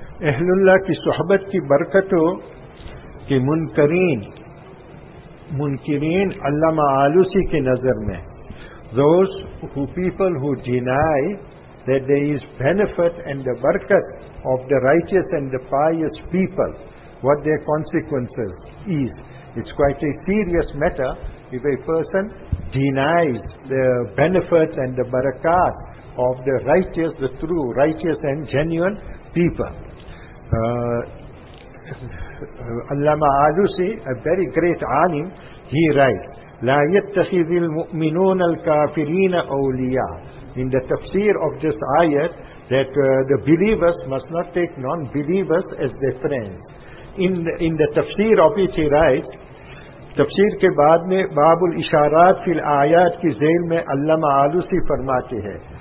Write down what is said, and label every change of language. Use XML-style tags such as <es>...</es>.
<ur>اہل اللہ کی صحبت کی برکت ہو کہ منکرین علامہ آلوسی کی نظر میں</ur> <en>those who people who deny that there is benefit and the barakat of the righteous and the pious people, what their consequences is. It's quite a serious matter if a person denies the benefits and the barakat of the righteous, the true, righteous and genuine people. Allama Alusi, a very great alim, he writes,</en> <ar>لا يتخذ المؤمنون الكافرين أولياء.</ar> <en>In the tafsir of this ayat, that the believers must not take non-believers as their friends. In the tafsir of it, he writes,</en> <ur>tafsir ke baad mein باب الاشارات فی الآیات کی ذیل میں علامہ آلوسی فرماتے ہیں.</ur>